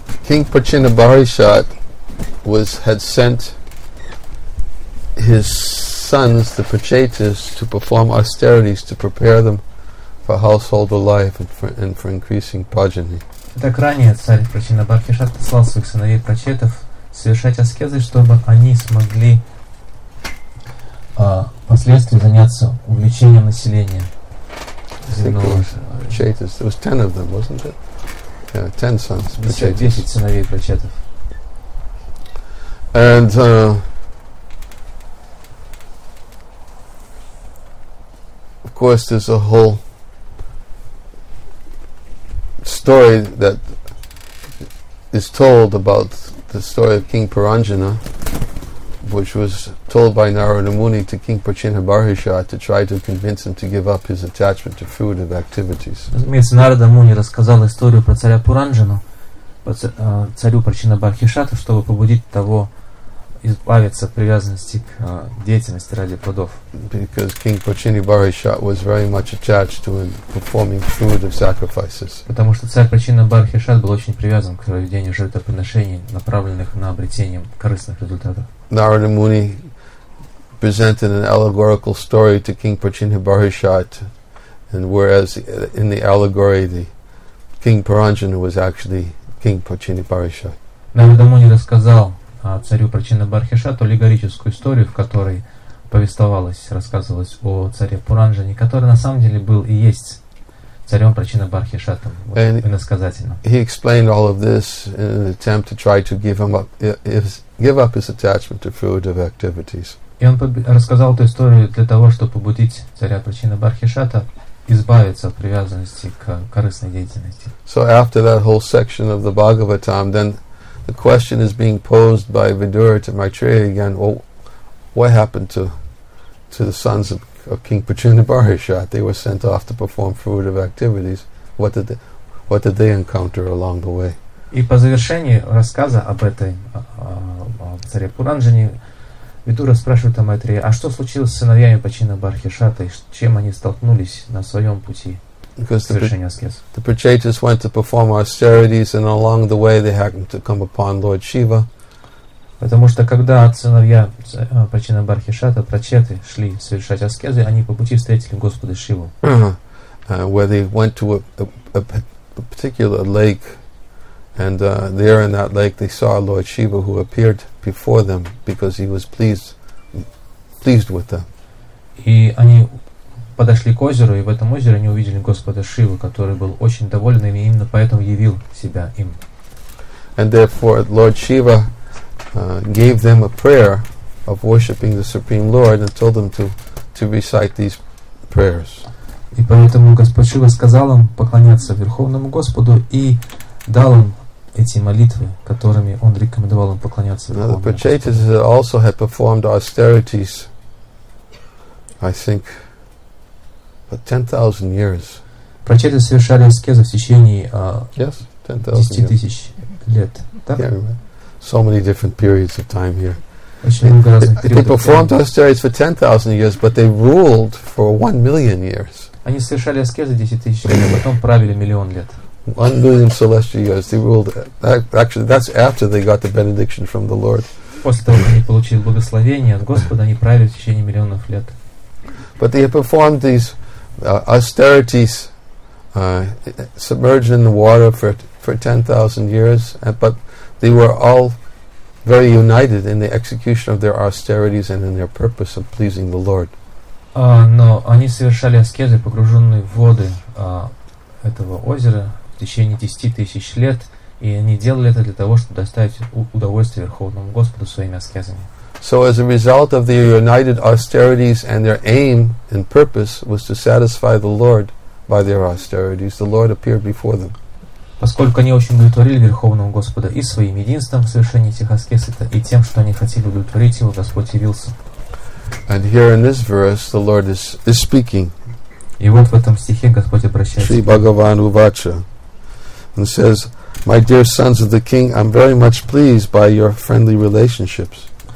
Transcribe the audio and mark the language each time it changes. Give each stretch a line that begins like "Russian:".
English: King Prachinda Bharishat had sent his sons, the Prachetas, to perform austerities to prepare them for householder life and for increasing progeny.
Russian: Так ранее царь Прачинда Бхархишат послал своих сыновей Прачетов совершать аскезы, чтобы они смогли впоследствии заняться увеличением населения.
English: Prachetas, there was 10 of them, wasn't it? Yeah, 10 sons.
Russian: 10 сыновей Прачетов.
English: And of course, there's a whole story that is told about the story of King Paranjana, which was told by Narada Muni to King Prachinda Bharishat to try to convince him to give up his attachment to food and activities.
Russian: Разумеется, Нарада Муни рассказал историю про царя Пуранджану, царю Прачинда Бхархишата, чтобы побудить того избавиться от привязанности к деятельности ради плодов.
English: Because King Prachinda Bharishat was very much attached to performing food of sacrifices.
Russian: Потому что царь Прачинда Бхархишат был очень привязан к проведению жертвоприношений, направленных на обретение корыстных результатов.
English: Narada Muni presented an allegorical story to King Prachinda Bharishat, and whereas in the allegory the King Paranjana was actually King Prachinda Bharishat.
Russian: Narada Muni рассказал царю Прачинда Бхархишату аллегорическую историю, в которой рассказывалось о царе Пуранджане, который на самом деле был и есть царем Прачинда Бхархишатом, иносказательно.
English: He explained all of this in an attempt to try to give up his attachment to food of activities.
Russian: И он рассказал эту историю для того, чтобы побудить царя Прачинда Бхархишата избавиться от привязанности к корыстной деятельности.
English: So after that whole section of the Bhagavatam, then the question is being posed by Vidura to Maitreya again, well, what happened to the sons of King Prachinda Bharishat? They were sent off to perform fruitive activities. What did they encounter along the way?
Russian: И по завершении рассказа об этой царе Пуранджане, Видура спрашивает о Майтрея, а что случилось с сыновьями Прачинда Бхархишата, и чем они столкнулись на своем пути?
English: The Prachetas went to perform austerities, and along the way they happened to come upon Lord Shiva.
Russian: Потому что когда сыновья Прачинда Бхархишата, Прачеты, шли совершать аскезы, они по пути встретили Господа Шиву.
English: Where they went to a particular lake, and there in that lake they saw Lord Shiva, who appeared before them because he was pleased with them.
Russian: И они подошли к озеру, и в этом озере они увидели Господа Шиву, который был очень доволен ими, и именно поэтому явил себя им.
English: And therefore Lord Shiva gave them a prayer of worshiping the Supreme Lord and told them to recite these prayers.
Russian: И поэтому Господь Шива сказал им поклоняться Верховному Господу и дал им эти молитвы, которыми он рекомендовал им поклоняться Верховному Господу.
English: The Pachaitas also had performed austerities, I think, for 10,000 years.
Russian: Прочеты совершали аскезы в течение 10,000 лет.
English: So many different periods of time here. They performed austerities for 10,000 years, but they ruled for 1,000,000 years.
Russian: Они совершали аскезы 10,000 лет, а потом правили миллион лет.
English: 1,000,000 celestial years. They ruled. Actually, that's after they got the benediction from the Lord.
Russian: После того, как они получили благословение от Господа, они правили в течение миллионов лет.
English: But they performed these austerities, submerged in the water for 10,000 years, but they were all very united in the execution of their austerities and in their purpose of pleasing the Lord.
Russian: Но они совершали аскезы, погруженные в воды этого озера в течение 10,000 лет, и они делали это для того, чтобы доставить удовольствие Верховному Господу своими аскезами.
English: So as a result of their united austerities and their aim and purpose was to satisfy the Lord by their austerities, the Lord appeared before them.
Russian: Поскольку они очень удовлетворили Верховного Господа и своим единством в совершении этих аскез, и тем, что они хотели удовлетворить его, Господь явился.
English: And here in this verse the Lord is speaking.
Russian: И вот в этом стихе Господь обращается.
Sanskrit: Шри Бхагаван Увача.
English: And says, "My dear sons of the king, I'm very much pleased by your friendly relationships."